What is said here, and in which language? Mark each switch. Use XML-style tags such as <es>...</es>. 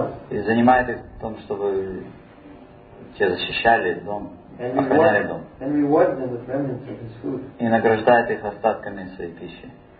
<ru>И занимает их в том, чтобы те защищали дом.</ru> <en>And rewards them with remnants of his food.</en> <ru>И награждает их остатками своей пищи.</ru>